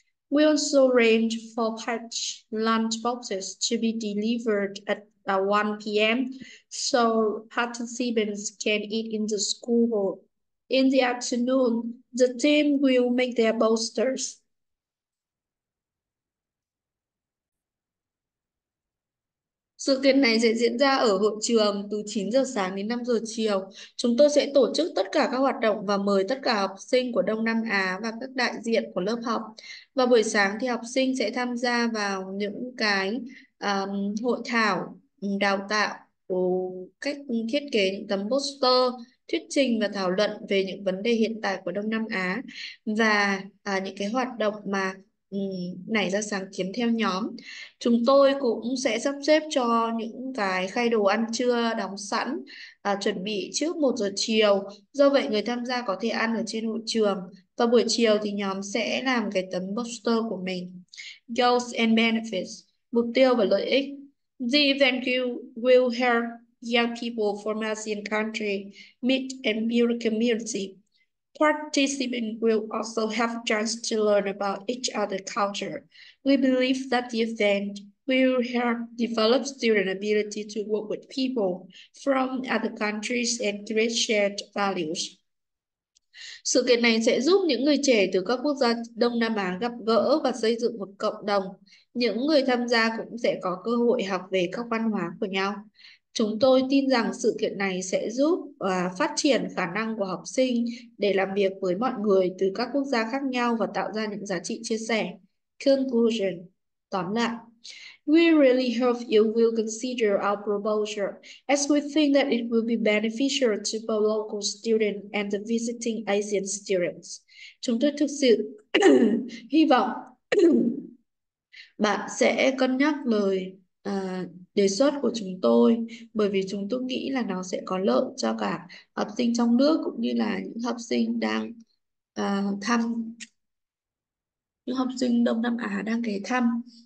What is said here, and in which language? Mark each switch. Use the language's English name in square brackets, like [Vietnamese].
[English] We also arrange for packed lunch boxes to be delivered at 1 p.m. so participants can eat in the school hall. In the afternoon, the team will make their posters. [Vietnamese] Sự kiện này sẽ diễn ra ở hội trường từ 9 giờ sáng đến 5 giờ chiều. Chúng tôi sẽ tổ chức tất cả các hoạt động và mời tất cả học sinh của Đông Nam Á và các đại diện của lớp học. Vào buổi sáng thì học sinh sẽ tham gia vào những cái hội thảo đào tạo của cách thiết kế những tấm poster, thuyết trình và thảo luận về những vấn đề hiện tại của Đông Nam Á và những cái hoạt động mà Nảy ra sáng kiến theo nhóm. Chúng tôi cũng sẽ sắp xếp cho những cái khay đồ ăn trưa đóng sẵn và chuẩn bị trước 1 giờ chiều. Do vậy người tham gia có thể ăn ở trên hội trường. Và buổi chiều thì nhóm sẽ làm cái tấm poster của mình. [English] Goals and benefits, [Vietnamese] mục tiêu và lợi ích. [English] The event will help young people from Asian country meet and build community. Participants will also have a chance to learn about each other's culture. We believe that the event will help develop student ability to work with people from other countries and create shared values. [Vietnamese] Sự kiện này sẽ giúp những người trẻ từ các quốc gia Đông Nam Á gặp gỡ và xây dựng một cộng đồng. Những người tham gia cũng sẽ có cơ hội học về các văn hóa của nhau. Chúng tôi tin rằng sự kiện này sẽ giúp phát triển khả năng của học sinh để làm việc với mọi người từ các quốc gia khác nhau và tạo ra những giá trị chia sẻ. [English] Conclusion, [Vietnamese] tóm lại. [English] We really hope you will consider our proposal as we think that it will be beneficial to both local students and the visiting Asian students. [Vietnamese] Chúng tôi thực sự hy vọng bạn sẽ cân nhắc lời đề xuất của chúng tôi bởi vì chúng tôi nghĩ là nó sẽ có lợi cho cả học sinh trong nước cũng như là những học sinh đang thăm những học sinh Đông Nam Á đang ghé thăm.